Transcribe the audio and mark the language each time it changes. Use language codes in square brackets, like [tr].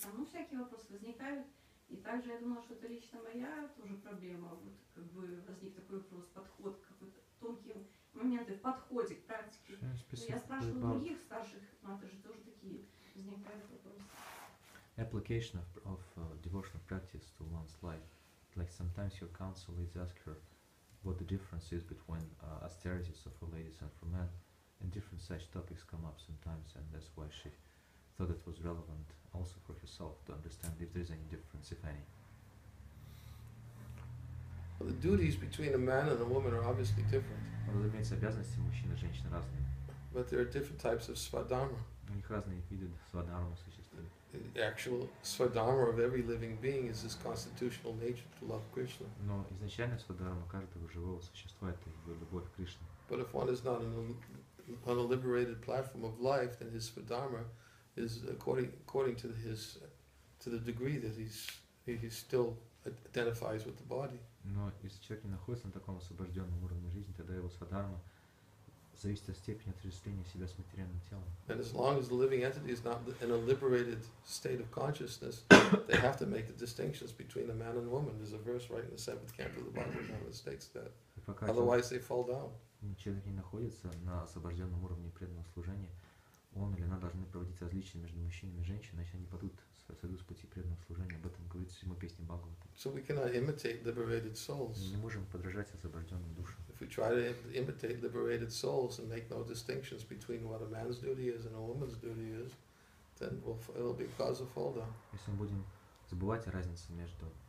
[ru] Там, ну, всякие вопросы возникают. И также я думала, что это лично моя тоже проблема. Вот как бы возник такой вопрос, подход, какой-то тонкий момент в подходе к практике. Я спрашивала других старших, но это же тоже такие возникают вопросы. [en] Application of devotional practice to one's life. Like sometimes your counsel is asked her what the difference is between austerities of for ladies and for men, and different such topics come up sometimes, and that's why she thought it was relevant also for herself to understand if there is any difference, if any. Well, the duties between a man and a woman are obviously different. [ru] Разумеется, обязанности мужчин и женщин разные. [en] But there are different types of svadharma. [ru] У них разные виды свадхармы существуют. [en] The actual svadharma of every living being is this constitutional nature to love Krishna. [ru] Но изначальная свадхарма каждого живого существа – это его любовь к Кришне. [en] But if one is not on a liberated platform of life, then his svadharma is according to his to the degree that he's still identifies with the body. [ru] Но если человек не находится на таком освобожденном уровне жизни, тогда его свадхарма зависит от степени отождествления себя с материальным телом. [en] And as long as the living entity is not in a liberated state of consciousness, they have to make the distinctions between a man and woman. There's a verse right in the seventh canto of the Bhagavad Gita that states that. Otherwise, they fall down. [ru] Человек не находится на освобожденном уровне преданного служения, он или она должны проводить различия между мужчинами и женщинами, иначе они падут с пути преданного служения. Об этом говорит всему песня Бхагавата. [en] So we cannot imitate liberated souls. [ru] Мы не можем подражать освобожденным душам. [en] If we try to imitate liberated souls and make no distinctions between what a man's duty is and a woman's duty is, then it'll be cause of fall down. [ru] Если мы будем забывать о разнице между